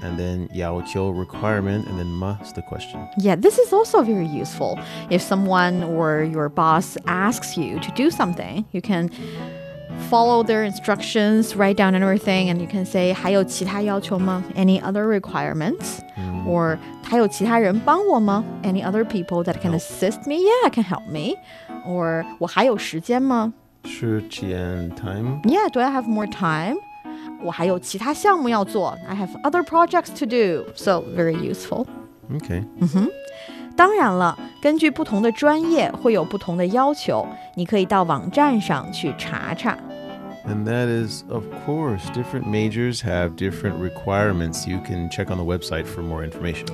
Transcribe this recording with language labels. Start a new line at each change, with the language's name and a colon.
English: And then 要求, requirement, and then must, the question. Yeah, this is also very useful. If someone or your boss asks you to do something, you can follow their instructions, write down everything, and you can say
Chinese: 还有其他要求吗?
English: Any other requirements? Or
Chinese: 还有其他人帮我吗?
English: Any other people that can assist me? Yeah, can help me. Or
Chinese: 我还有时间吗? 时间,
English: time? Yeah, do I have more time?
Chinese: 我还有其他项目要做,
English: I have other projects to do. So, very useful. Okay.
Chinese: 当然了, 根据不同的专业会有不同的要求, 你可以到网站上去查查。
English: And that is, of course, different majors have different requirements. You can check on the website for more information.